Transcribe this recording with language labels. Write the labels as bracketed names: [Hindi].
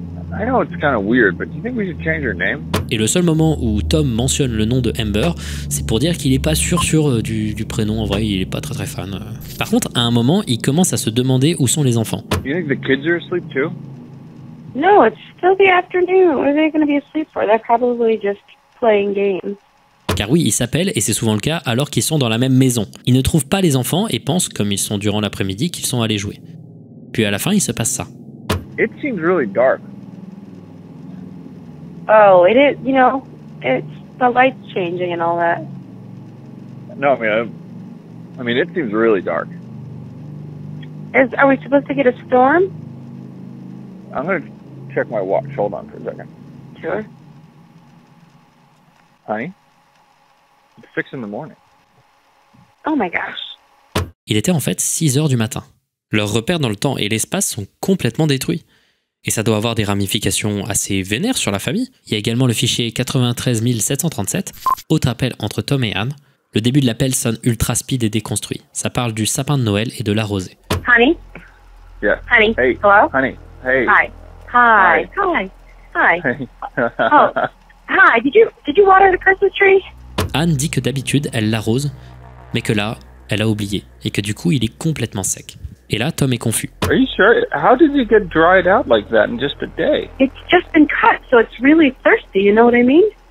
[English] I know it's kind of weird, but do you think we should change her name? [French] Et le seul moment où Tom mentionne le nom de Amber, c'est pour dire qu'il est pas sûr du prénom, en vrai, il est pas très très fan. Par contre, à un moment, il commence à se demander où sont les enfants. [English] Do you think the kids are asleep too? No, it's still the afternoon. What are they going to be asleep for? They're probably just playing games. [French] Car oui, ils s'appellent, et c'est souvent le cas, alors qu'ils sont dans la même maison. Ils ne trouvent pas les enfants et pensent, comme ils sont durant l'après-midi, qu'ils sont allés jouer. Puis à la fin, il se passe ça. [English] It seems really dark. Oh, it is, you know, it's the lights changing and all that. No, I mean, it seems really dark. Are we supposed to get a storm? I'm going to check my watch. Hold on for a second. Sure. Honey? It's 6 in the morning. Oh my gosh. [French] Il était en fait 6 heures du matin. Leurs repères dans le temps et l'espace sont complètement détruits. Et ça doit avoir des ramifications assez vénères sur la famille. Il y a également le fichier 93737, autre appel entre Tom et Anne. Le début de l'appel sonne ultra speed et déconstruit. Ça parle du sapin de Noël et de la rosée. [English] Honey? Yeah. Honey? Hey. Hello? Honey? Hey. Hi. Hi. Hi. Hi. Hi. Hey. Oh. Hi. Did you water the Christmas tree? [French] Anne dit que d'habitude, elle l'arrose, mais que là, elle a oublié et que du coup, il est complètement sec. Et là, Tom est confus. [English] Are you sure? How did you get dried out like that in just a day? It's just been cut, so it's really thirsty, you know what I mean?